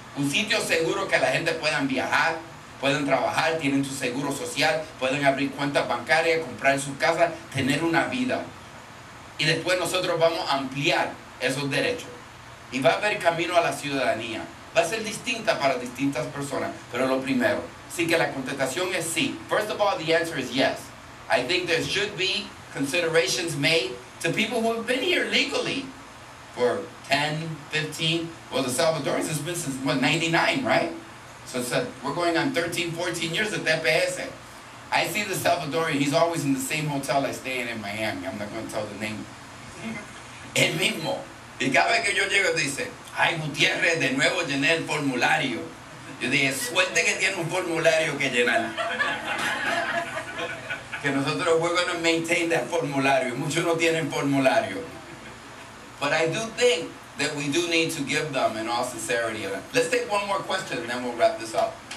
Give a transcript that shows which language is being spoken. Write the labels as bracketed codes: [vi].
[es] Un sitio seguro que la gente pueda viajar. Pueden trabajar, tienen su seguro social, pueden abrir cuentas bancarias, comprar su casa, tener una vida. Y después nosotros vamos a ampliar esos derechos. y va a haber camino a la ciudadanía. Va a ser distinta para distintas personas, pero lo primero. Así que la contestación es sí. [en] First of all, the answer is yes. I think there should be considerations made to people who have been here legally for 10, 15, well, the Salvadorians has been since, what, 99, right? So it's a, we're going on 13, 14 years of TPS. I see the Salvadorian, he's always in the same hotel I stay in Miami. I'm not going to tell the name. [es] El mismo. Y cada vez que yo llego, dice, ay, Gutiérrez, de nuevo llené el formulario. Yo dije, suerte que tiene un formulario que llenar. Que nosotros, [en] we're going to maintain that [es] formulario. Muchos no tienen formulario. [en] But I do think that we do need to give them, in all sincerity. Let's take one more question, and then we'll wrap this up.